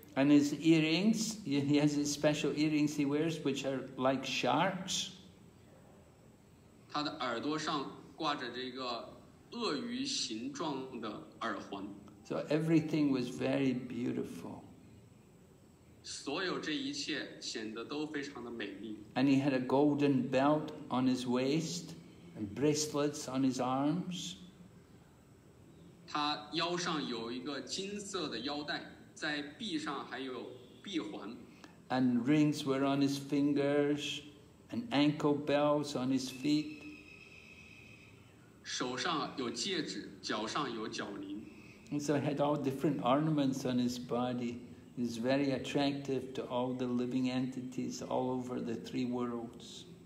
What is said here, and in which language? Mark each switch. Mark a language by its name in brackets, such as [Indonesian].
[English] And his earrings, he has his special earrings he wears, which are like sharks. [Chinese] 他的耳朵上挂着这个鳄鱼形状的耳环。 [English] So everything was very beautiful. [Chinese] 所有这一切显得都非常的美丽。 [English] And he had a golden belt on his waist and bracelets on his arms. [Chinese] 他腰上有一个金色的腰带，在臂上还有臂环。 [English] And rings were on his fingers and ankle bells on his feet. [Chinese] 手上有戒指，脚上有脚铃。 [English] And so he had all different ornaments on his body. He was very attractive to all the living entities all over the three worlds.